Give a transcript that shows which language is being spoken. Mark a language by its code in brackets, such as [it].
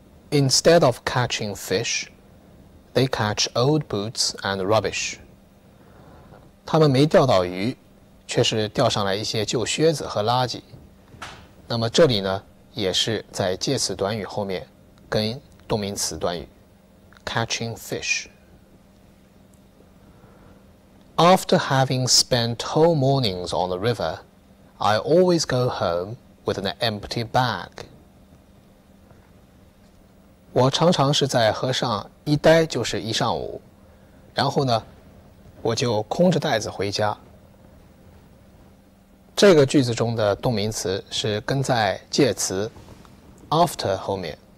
[en] Instead of catching fish, they catch old boots and rubbish. [zh] 他们没钓到鱼，却是钓上来一些旧靴子和垃圾。那么这里呢也是在介词短语后面跟动名词短语 [en] catching fish。 After having spent whole mornings on the river, I always go home with an empty bag. [zh] 我常常是在河上一待就是一上午，然后呢，我就空着袋子回家。这个句子中的动名词是跟在介词 after 后面。